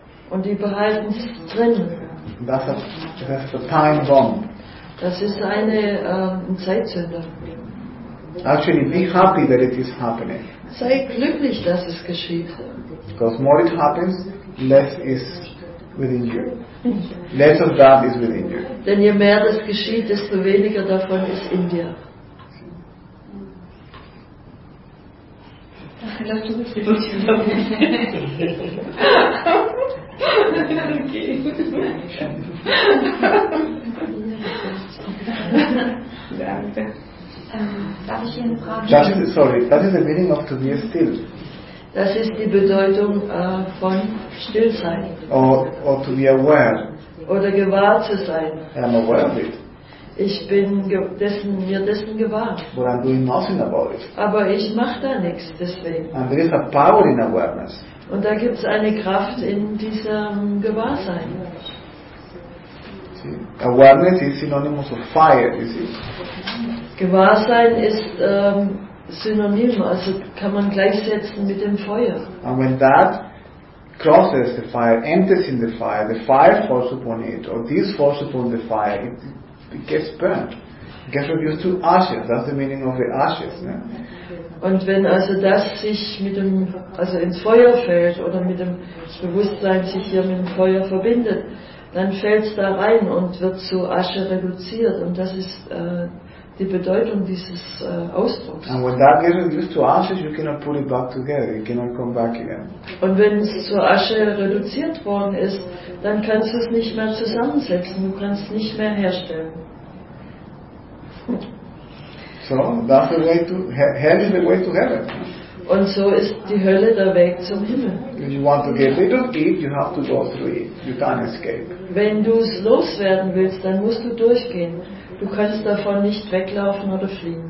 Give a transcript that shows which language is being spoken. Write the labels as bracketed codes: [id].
[de] Und die behalten es drin. [en] That's a time bomb. [de] Das ist eine ein Zeitzünder. [en] Actually, be happy that it is happening. [de] Sei glücklich, dass es geschieht. [en] Because more it happens, less is within you. Less of that is within you. [de] Denn je mehr das geschieht, desto weniger davon ist in dir. Darf ich Ihnen fragen? [en] That is the meaning of to be still. [de] Das ist die Bedeutung von still sein. [en] Or to be aware. [de] Oder gewahr zu sein. [en] I'm aware of it. [de] Ich bin mir dessen gewahr. [en] But I'm doing nothing about it. [de] Aber ich mache da nichts deswegen. [en] And there is a power in awareness. [de] Und da gibt es eine Kraft in diesem Gewahrsein. [en] see. Awareness is synonymous of fire, you see. [de] Gewahrsein ist synonym, also kann man gleichsetzen mit dem Feuer. [en] And when that crosses the fire, enters in the fire falls upon it, or this falls upon the fire, it gets burnt. It gets reduced to ashes, that's the meaning of the ashes. Yeah? [de] Und wenn also das sich mit dem, also ins Feuer fällt oder mit dem Bewusstsein sich hier mit dem Feuer verbindet, dann fällt es da rein und wird zu Asche reduziert. Und das ist die Bedeutung dieses Ausdrucks. [en] And when that gets reduced to ashes, you cannot put it back together. You cannot come back again. [de] Und wenn es zu Asche reduziert worden ist, dann kannst du es nicht mehr zusammensetzen. Du kannst es nicht mehr herstellen. [en] So that's the way to hell is the way to heaven. [de] Und so ist die Hölle der Weg zum Himmel. [en] If you want to get rid of it, you have to go through it. You can't escape. [de] Wenn du es loswerden willst, dann musst du durchgehen. Du kannst davon nicht weglaufen oder fliehen.